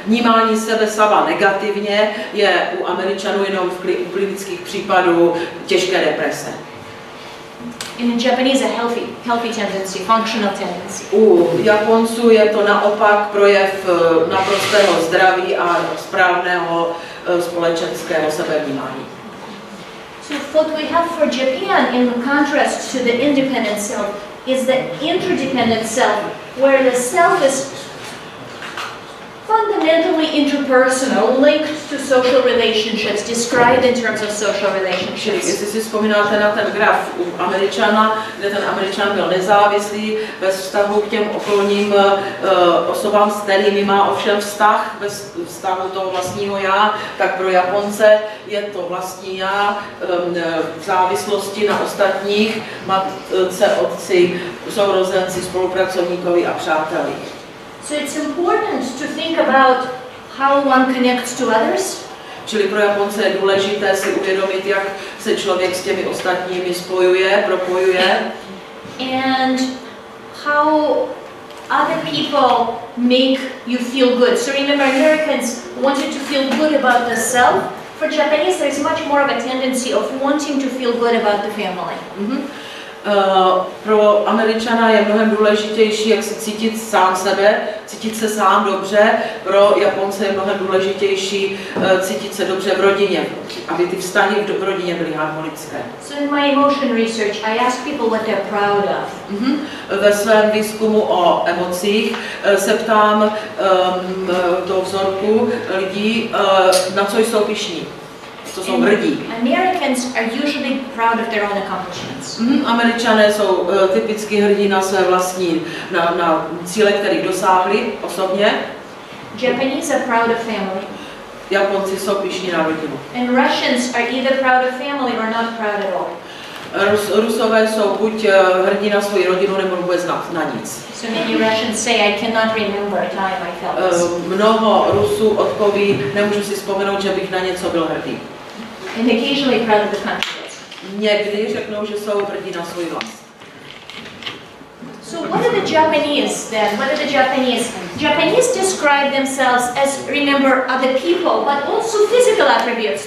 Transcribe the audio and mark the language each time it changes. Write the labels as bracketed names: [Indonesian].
[Czech] Vnímání sebe sama negativně je u Američanů jenom u klinických případů těžké deprese. [English] In the Japanese a healthy tendency, functional tendency. [Czech] U Japonců je to naopak projev naprostého zdraví a správného společenského sebevnímání. [English] So what we have for Japan in contrast to the independent self is the interdependent self, where the self is fundamentally interpersonal, linked to social relationships, described in terms of social relationships. [Czech] Jestli si vzpomínáte na ten graf u Američana, kde ten Američan byl nezávislý ve vztahu k těm okolním osobám, s kterými má ovšem vztah, ve vztahu toho vlastního já, tak pro Japonce je to vlastní já v závislosti na ostatních, matce, otci, sourozenci, spolupracovníkovi a přáteli. [English] So it's important to think about how one connects to others. [Czech] Čili pro Japonce je důležité si uvědomit, jak se člověk s těmi ostatními spojuje, propojuje. [English] And how other people make you feel good. So remember, Americans wanted to feel good about the self. For Japanese, there's much more of a tendency of wanting to feel good about the family. Mm-hmm. [Czech] Pro Američana je mnohem důležitější, jak se cítit sám sebe, cítit se sám dobře. Pro Japonce je mnohem důležitější cítit se dobře v rodině, aby ty vztahy v rodině byly harmonické. [English] So in my emotion research, I ask people what they're proud of. Mm-hmm. [Czech] Ve svém výzkumu o emocích se ptám toho vzorku lidí, na co jsou pyšní. to jsou hrdí. [English] Americans are usually proud of their own accomplishments. [Czech] Američané jsou typicky hrdí na své vlastní na cíle, které dosáhli osobně. [English] Japanese are proud of family. [Czech] Japonci jsou pyšní na rodinu. [English] And Russians are either proud of family or not proud at all. [Czech] Rusové jsou buď hrdí na svou rodinu nebo vůbec na nic. [English] So many Russians say I cannot remember a time I felt. [Czech] Mnoho Rusů odpoví, nemůžu si vzpomenout, že bych na něco byl hrdý. [English] And occasionally proud of the country. [Czech] Někdy řeknou, že jsou hrdí na svůj vlast. [English] So what are the Japanese then? What are the Japanese? Japanese describe themselves as remember other people, but also physical attributes.